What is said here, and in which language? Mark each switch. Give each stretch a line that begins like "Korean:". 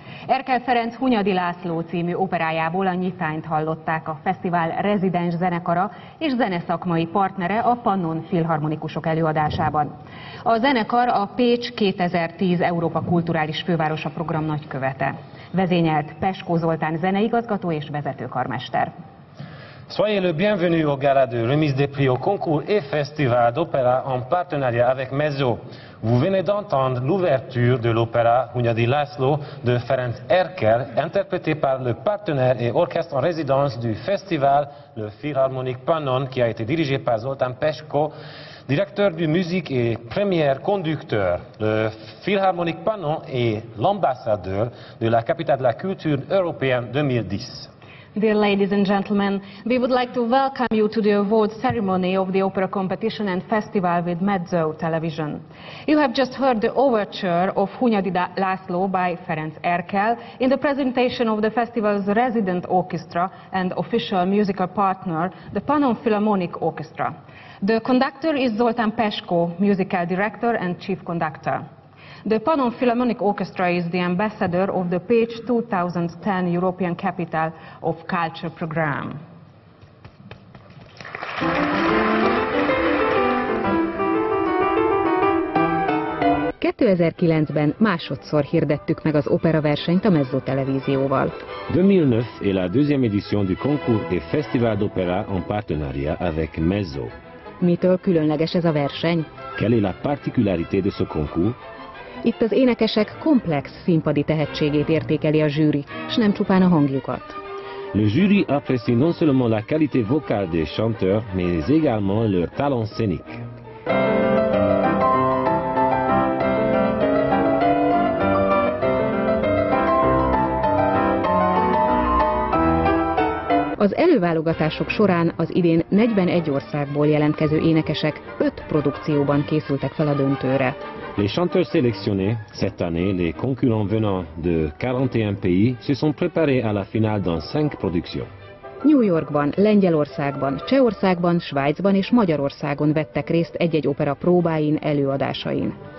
Hungarian: Erkel Ferenc Hunyadi László című operájából a nyitányt hallották a fesztivál rezidens zenekara és zeneszakmai partnere a Pannon Filharmonikusok előadásában. A zenekar a Pécs 2010 Európa Kulturális Fővárosa program nagykövete. Vezényelt Peskó Zoltán zeneigazgató és vezetőkarmester.
French: Soyez le bienvenu au gala de remise des prix au concours et festival d'opéra en partenariat avec Mezzo. Vous venez d'entendre l'ouverture de l'opéra Hunyadi László de Ferenc Erkel, interprété par le partenaire et orchestre en résidence du festival, le Philharmonique Pannon, qui a été dirigé par Zoltán Peskó, directeur de musique et premier conducteur. Le Philharmonique Pannon est l'ambassadeur de la capitale de la culture européenne 2010.
English: Dear ladies and gentlemen, we would like to welcome you to the award ceremony of the opera competition and festival with Mezzo Television. You have just heard the overture of Hunyadi László by Ferenc Erkel in the presentation of the festival's resident orchestra and official musical partner, the Pannon Philharmonic Orchestra. The conductor is Zoltán Peskó, musical director and chief conductor. The Pannon Philharmonic Orchestra is the ambassador of the Pécs 2010 European Capital of Culture program.
Hungarian: Ben másodszor hirdettük meg az opera versenyt a Mezzo Televízióval.
French: 2009 est la deuxième édition du concours et festival d'opéra en partenariat avec Mezzo.
Hungarian: Mitől különleges ez a verseny?
French: Quelle est la particularité de ce concours?
Hungarian: Itt az énekesek komplex színpadi tehetségét értékeli a zsűri, s nem csupán a hangjukat.
French: Le jury apprécie non seulement la qualité vocale des chanteurs, mais également leur talent scénique.
Hungarian: Az előválogatások során az idén 41 országból jelentkező énekesek 5 produkcióban készültek fel a döntőre.
French: Les chanteurs sélectionnés cette année, les concurrents venant de 41 pays, se sont préparés à la finale dans 5 productions.
Hungarian: New Yorkban, Lengyelországban, Csehországban, Svájcban és Magyarországon vettek részt egy-egy opera próbáin, előadásain.